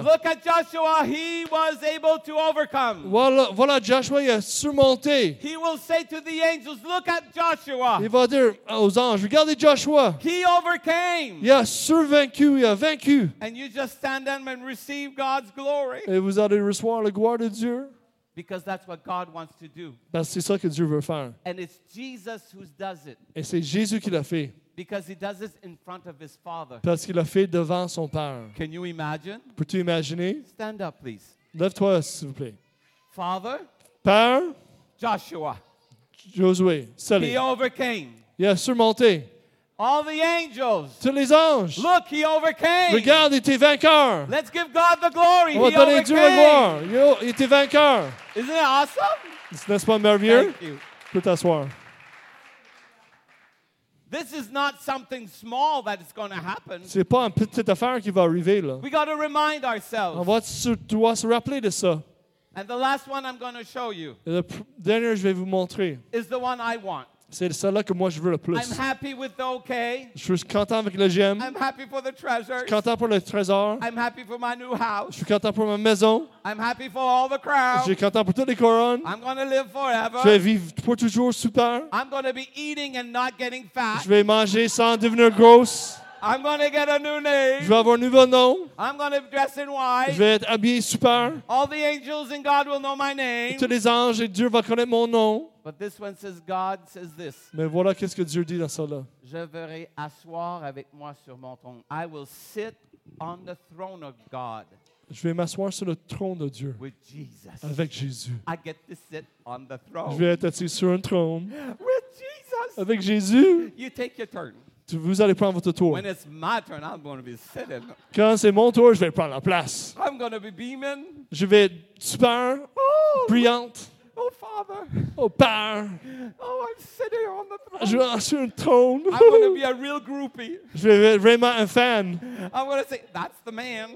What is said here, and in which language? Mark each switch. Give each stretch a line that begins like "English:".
English: Look at Joshua. He was able to overcome.
French: Voilà Joshua, il a surmonté.
English: He will say to the angels, look at Joshua.
French: Il va dire aux anges, regardez Joshua.
English: He overcame.
French: Il a survaincu, il a vaincu.
English: And you just stand there and receive God's glory.
French: Et vous allez recevoir la gloire de Dieu.
English: Because that's what God wants to do.
French: Parce que c'est ça que Dieu veut faire.
English: And it's Jesus who does it.
French: Et c'est Jésus qui l'a fait.
English: Because he does this in front of his Father.
French: Parce qu'il l'a fait devant son Père.
English: Can you imagine?
French: Peux-tu imaginer?
English: Stand up, please.
French: Lève-toi, s'il vous plaît.
English: Father.
French: Père.
English: Joshua.
French: Josué. Salut.
English: He overcame.
French: Il a surmonté.
English: All the angels.
French: Tous les anges.
English: Look, he overcame.
French: Regarde, il était vainqueur.
English: Let's give God the glory.
French: On va donner Dieu la gloire. Yo, il était vainqueur.
English: Isn't it awesome?
French: N'est-ce pas merveilleux?
English: Thank you.
French: Tu peux t'asseoir.
English: This is not something small that is going to happen.
French: C'est pas une petite affaire qui va arriver là.
English: We got to remind ourselves.
French: On doit se rappeler de ça.
English: And the last one I'm going to show you.
French: Le dernier je vais vous montrer.
English: Is the one I want.
French: C'est celle-là que moi je veux le plus.
English: I'm happy with the okay.
French: Je suis content avec le GM.
English: I'm happy for the treasures.
French: Je suis content pour le trésor.
English: I'm happy for my new house.
French: Je suis content pour ma maison.
English: I'm happy for all the crowns.
French: Je suis content pour toutes les couronnes.
English: I'm gonna live forever.
French: Je vais vivre pour toujours super.
English: I'm gonna be eating and not getting fat.
French: Je vais manger sans devenir grosse.
English: I'm gonna get a new name.
French: Je vais avoir un nouveau nom.
English: I'm gonna dress in white.
French: Je vais être habillé super.
English: All the angels and God will know my name.
French: Tous les anges et Dieu vont connaître mon nom.
English: But this one says God says this.
French: Mais voilà qu'est-ce que Dieu dit dans ça là. Je verrai asseoir avec moi sur mon trône.
English: I will sit on the throne of God.
French: Je vais m'asseoir sur le trône de Dieu.
English: With Jesus.
French: Avec Jésus.
English: I get to sit on the throne.
French: Je vais être assis sur un trône.
English: With Jesus.
French: Avec Jésus.
English: You take your turn.
French: Vous allez prendre votre tour.
English: When it's my turn, I'm going to be sitting.
French: Quand c'est mon tour, je vais prendre la place.
English: I'm going to be beaming.
French: Je vais être super, oh, brillante.
English: Oh, Father.
French: Oh, Père.
English: Oh, I'm sitting on the throne.
French: Je vais sur un trône.
English: I'm going to be a real groupie.
French: Je vais être vraiment un fan.
English: I'm going to say, that's the man.